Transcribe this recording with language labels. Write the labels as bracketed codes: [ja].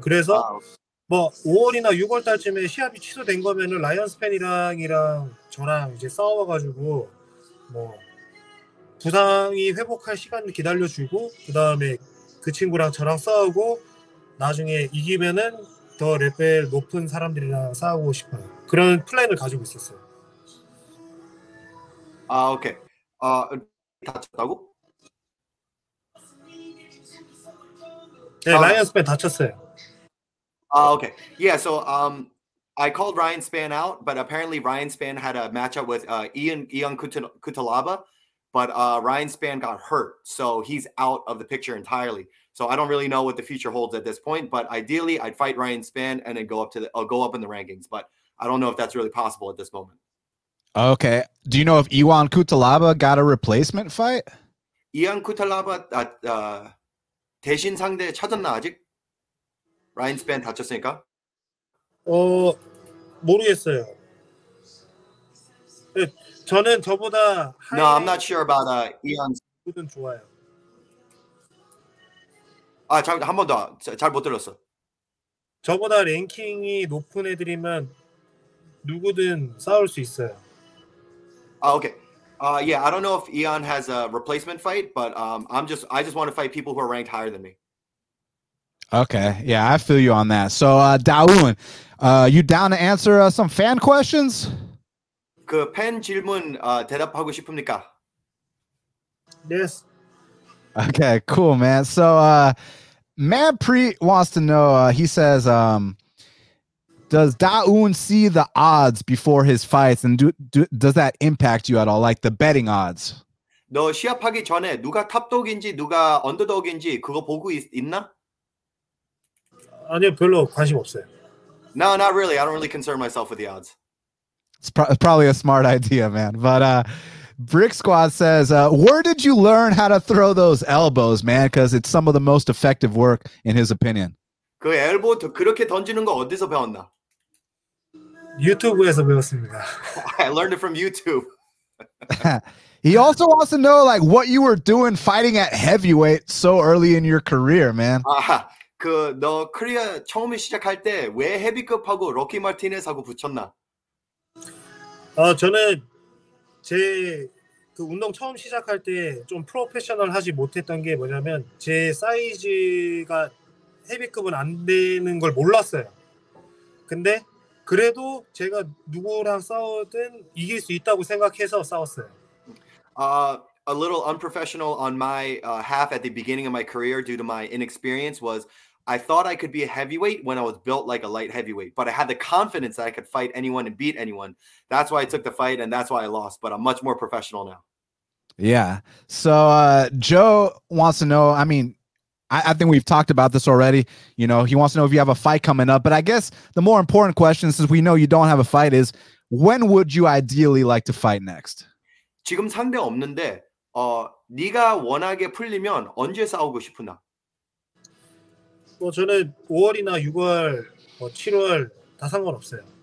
[ko] 그래서 뭐 5월이나 6월 달쯤에 시합이 취소된 거면은 라이언 스펜이랑 저랑 이제 싸워가지고 뭐 부상이 회복할 시간을 기다려주고 그 다음에 그 친구랑 저랑 싸우고 나중에 이기면은 더 레벨 높은 사람들이랑 싸우고 싶어요. 그런 플랜을 가지고 있었어요. 아, 오케이. 다쳤다고? 네, 라이언 스펜 다쳤어요. 아, 오케이. [en] Yeah, so I called Ryan Spann out, but apparently Ryan Spann had a matchup with Ian Kutalaba, but Ryan Spann got hurt, so he's out of the picture entirely. So I don't really know what the future holds at this point, but ideally I'd fight Ryan Spann and then go up in the rankings, but I don't know if that's really possible at this moment. Okay. Do you know if Ian Kutalaba got a replacement fight? [ko] Ian Kutalaba 대신 상대 찾았나 아직? Ryan Spann 다쳤으니까? 모르겠어요. 저는 저보다 [en] No, I'm not sure about Ian. [ko] 그건 좋아요. 아, 잠 한 번 더. 잘 못 들었어. 저보다 랭킹이 높은 애들이면 누구든 싸울 수 있어요. [en] Okay. Yeah, I don't know if Ian has a replacement fight, but I just want to fight people who are ranked higher than me. Okay. Yeah, I feel you on that. So, Daewoon, you down to answer some fan questions? [ko] 그 팬 질문 대답하고 싶습니까? [en] Yes. Okay, cool, man. So, Matt Preet wants to know, he says, does Daewoon see the odds before his fights, and does that impact you at all, like the betting odds? [ko] 너 시합하기 전에 누가 탑독인지 누가 언더독인지 그거 보고 있나? 아니요, 별로 관심 없어요. [en] No, not really. I don't really concern myself with the odds. It's probably a smart idea, man. But Brick Squad says, where did you learn how to throw those elbows, man? Because it's some of the most effective work, in his opinion. [ko] 그 엘보 그렇게 던지는 거 어디서 배웠나? 유튜브에서 배웠습니다. [en] I learned it from YouTube. He also wants to know, like, what you were doing fighting at heavyweight so early in your career, man. [ko] 그 너 커리어 처음 시작할 때 왜 헤비급하고 로키 마티네스하고 붙였나? 저는 제 그 운동 처음 시작할 때 좀 프로페셔널 하지 못했던 게 뭐냐면 제 사이즈가 헤비급은 안 되는 걸 몰랐어요. 근데 그래도 제가 누구랑 싸우든 이길 수 있다고 생각해서 싸웠어요. [en] A little unprofessional on my half at the beginning of my career due to my inexperience was I thought I could be a heavyweight when I was built like a light heavyweight, but I had the confidence that I could fight anyone and beat anyone. That's why I took the fight, and that's why I lost, but I'm much more professional now. Yeah. So Joe wants to know, I mean, I think we've talked about this already. You know, he wants to know if you have a fight coming up, but I guess the more important question, since we know you don't have a fight, is when would you ideally like to fight next? [ko] 지금 상대 없는데 네가 원하게 풀리면 언제 싸우고 싶으나? 뭐 저는 5월이나 6월, 뭐 7월 다 상관없어요.